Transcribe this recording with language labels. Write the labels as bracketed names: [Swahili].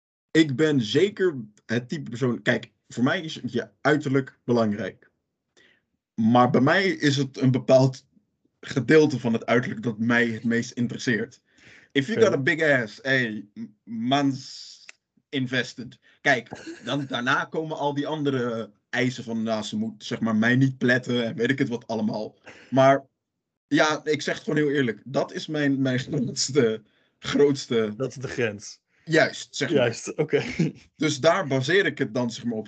[Dutch] Ik ben zeker het type persoon... Kijk, voor mij is je uiterlijk belangrijk. Maar bij mij is het een bepaald gedeelte van het uiterlijk dat mij het meest interesseert. [English] If you got a big ass, hey, man's invested. [Dutch] Kijk, dan daarna komen al die andere eisen van, nou, ze moet zeg maar mij niet pletten en weet ik het wat allemaal. Maar ja, ik zeg het gewoon heel eerlijk. Dat is mijn grootste... Dat is de grens. Juist, zeg maar. Juist, oké. Dus daar baseer ik het dan zeg maar op.